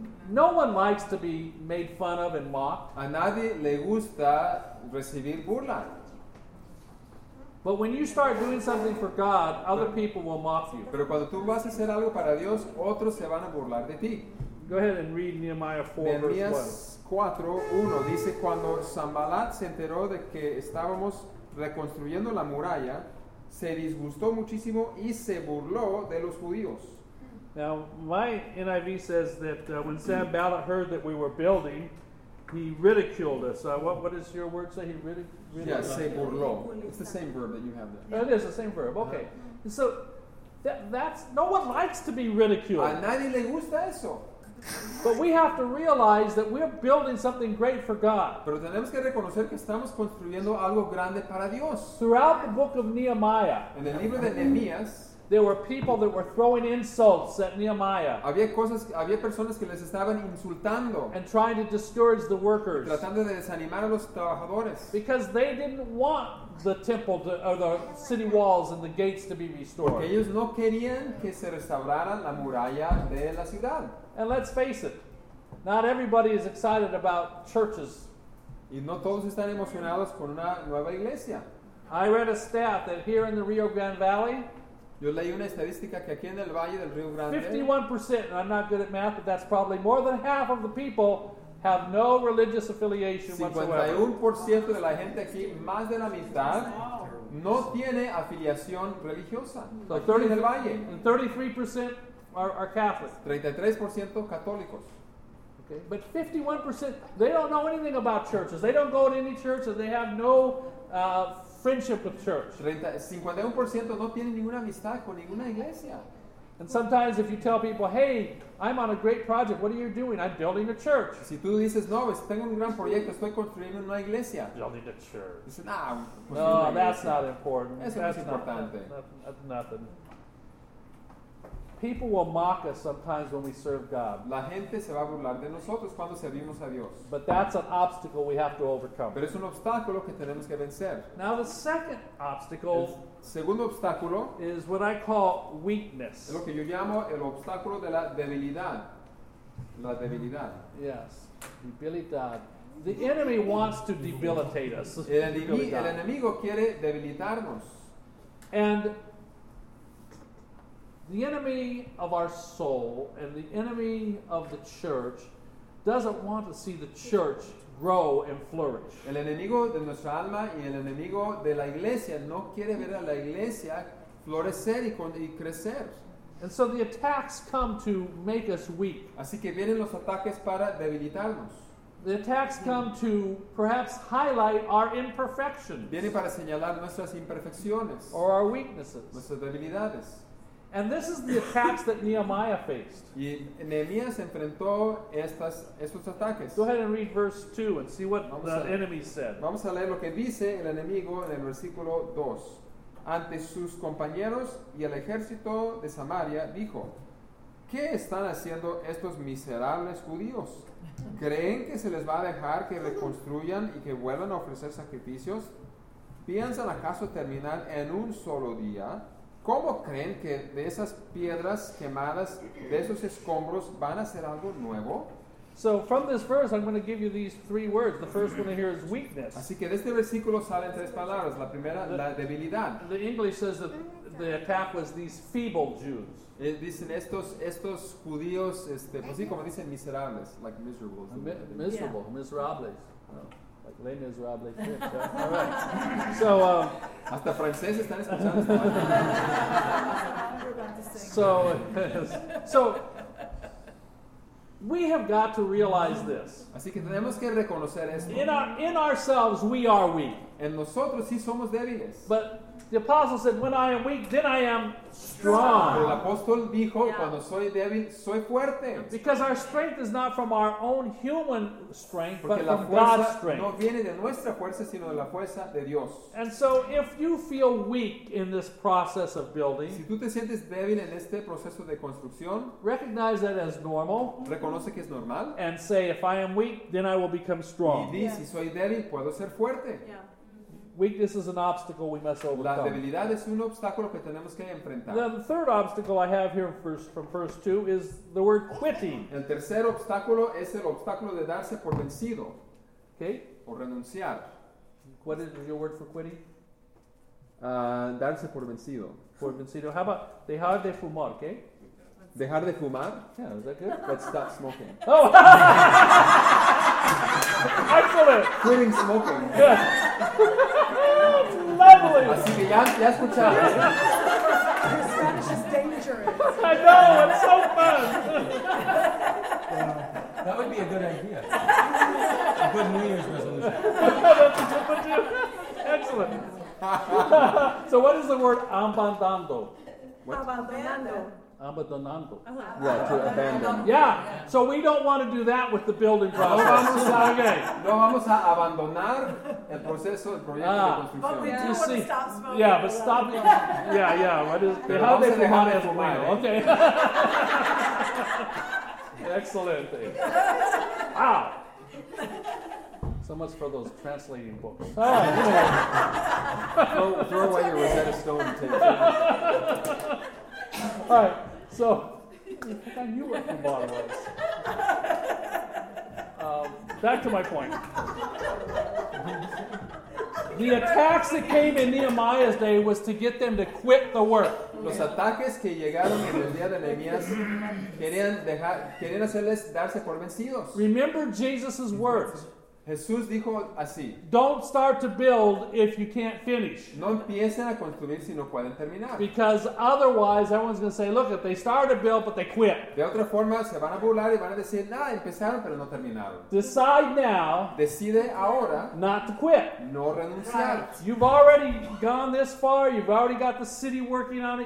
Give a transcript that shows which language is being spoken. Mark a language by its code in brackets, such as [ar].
[en] No one likes to be made fun of and mocked. [es] A nadie le gusta recibir burla. [en] But when you start doing something for God, other people will mock you. [es] Pero cuando tú vas a hacer algo para Dios, otros se van a burlar de ti. [en] Go ahead and read Nehemiah 4, verse 1. [es] Nehemías 4:1 dice, cuando Sanbalat se enteró de que estábamos reconstruyendo la muralla, se disgustó muchísimo y se burló de los judíos. [en] Now, my NIV says that when Sanballat heard that we were building, he ridiculed us. What does your word say? He ridiculed us. Yeah, [es] se burló. [en] It's the same verb that you have there. Oh, it is the same verb. Okay. So, That's no one likes to be ridiculed. [es] A nadie le gusta eso. [en] But we have to realize that we're building something great for God. [es] Pero tenemos que reconocer que estamos construyendo algo grande para Dios. [en] Throughout the book of Nehemiah, [es] en el libro de Nehemías, [en] there were people that were throwing insults at Nehemiah. [es] Había personas que les estaban insultando. [en] And trying to discourage the workers. [es] Tratando de desanimar a los trabajadores. [en] Because they didn't want the temple to, or the city walls and the gates to be restored. [es] Porque ellos no querían que se restaurara la muralla de la ciudad. [en] And let's face it, not everybody is excited about churches. [es] Y no todos están emocionados con una nueva iglesia. [en] I read a stat that here in the Rio Grande Valley, [es] yo leí una estadística que aquí en el Valle del Río Grande, [en] 51%, and I'm not good at math, but that's probably more than half of the people have no religious affiliation [es] 51% [en] whatsoever. [es] De la gente aquí, más de la mitad, no tiene afiliación religiosa. [en] So [es] 30, aquí en el Valle. [en] And 33% are Catholic. [es] 33% católicos. [en] Okay, but 51%, they don't know anything about churches. They don't go to any church, and they have no friendship with church. [es] 51% no tiene ninguna amistad con ninguna iglesia. [en] And sometimes if you tell people, hey, I'm on a great project, what are you doing? I'm building a church. [es] Si tú dices, no, tengo un gran proyecto, estoy construyendo una iglesia. [en] Building a church. You say, nah, no, that's not important. [es] Eso [en] that's [es] es importante. [en] That's nothing. People will mock us sometimes when we serve God. [es] La gente se va a burlar de nosotros cuando servimos a Dios. [en] But that's an obstacle we have to overcome. [es] Pero es un obstáculo que tenemos que vencer. [en] Now the second obstacle, [es] el segundo obstáculo, [en] is what I call weakness. [es] Es lo que yo llamo el obstáculo de la debilidad. La debilidad. [en] Yes, debilidad. The enemy wants to debilitate us. [es] El enemigo quiere debilitarnos. [en] And the enemy of our soul and the enemy of the church doesn't want to see the church grow and flourish. [es] El enemigo de nuestra alma y el enemigo de la iglesia no quiere ver a la iglesia florecer y crecer. [en] And so the attacks come to make us weak. [es] Así que vienen los ataques para debilitarnos. [en] The attacks come to perhaps highlight our imperfections. [es] Viene para señalar nuestras imperfecciones. [en] Or our weaknesses. [es] Nuestras debilidades. [en] And this is the attacks that Nehemiah faced. [es] Y Nehemías enfrentó estos ataques. [en] Go ahead and read verse 2 and see what the enemy said. [es] Vamos a leer lo que dice el enemigo en el versículo 2. Ante sus compañeros y el ejército de Samaria dijo, ¿qué están haciendo estos miserables judíos? ¿Creen que se les va a dejar que reconstruyan y que vuelvan a ofrecer sacrificios? ¿Piensan acaso terminar en un solo día? ¿Cómo creen que de esas piedras quemadas, de esos escombros, van a ser algo nuevo? [en] So from this verse, I'm going to give you these three words. The first one here is weakness. [es] Así que de este versículo salen tres palabras. La primera, la debilidad. [en] The English says that the attack was these feeble Jews. [es] Dicen estos judíos, pues sí, como dicen miserables, [en] like miserable. Miserable, yeah. Miserables. Like Les Miserables. Yeah. All right. So, [es] hasta franceses están escuchando esta. [en] So, we have got to realize this. [es] Así que tenemos que reconocer esto. [en] In ourselves, we are weak. [es] En nosotros sí somos débiles. [en] But the apostle said, "When I am weak, then I am strong." [es] El apóstol dijo, yeah. "Cuando soy débil, soy fuerte." [en] Because our strength is not from our own human strength, [es] porque [en] but from God's strength. [es] No viene de nuestra fuerza, sino de la fuerza de Dios. [en] And so, if you feel weak in this process of building, [es] si tú te sientes débil en este proceso de construcción, [en] recognize that as normal. [es] Reconoce que es normal. [en] And say, "If I am weak, then I will become strong." [es] Y di, yeah. Si soy débil, puedo ser fuerte. [en] Yeah. Weakness is an obstacle we must overcome. [es] La debilidad es un obstáculo que tenemos que enfrentar. [en] Now, the third obstacle I have here from verse 2 is the word quitting. [es] El tercer obstáculo es el obstáculo de darse por vencido. [en] Okay. [es] O renunciar. [en] What is your word for quitting? [es] Darse por vencido. Por vencido. [en] How about [es] dejar de fumar, okay? Dejar de fumar? [en] Yeah, is that good? Let's stop smoking. Oh! Excellent! Quitting smoking. Yeah. [es] Así que ya escucharon. [en] Your Spanish is dangerous. I know, it's so fun. That would be a good idea. A good New Year's resolution. Excellent. So what is the word abandonando? [es] Abandonando. Abandonando. [en] Uh-huh. Yeah, to abandon. Yeah, so we don't want to do that with the building process. [es] No, vamos a abandonar el proceso, el proyecto de construcción. [en] But we do want to stop smoking. Yeah, but stop. Yeah. How they come out of Okay. Okay. Excellent. Wow. So much for those translating books. throw away your Rosetta Stone and take it. All right. So, I knew what the bottom was. Back to my point. The attacks that came in Nehemiah's day was to get them to quit the work. [es] Los ataques que llegaron en el día de Nehemías querían hacerles darse por vencidos. [en] Remember Jesus' words. [es] Jesús dijo así. [en] Don't start to build if you can't finish. [es] No empiecen a construir si no pueden terminar. [en] Because otherwise everyone's going to say, look, if they started to build but they quit. [es] De otra forma se van a burlar y van a decir, nah, empezaron pero no terminaron. [en] Decide now. [es] Decide ahora. [en] Not to quit. [es] No renunciar. Right. [en] You've already gone this far. You've already got the city working on it.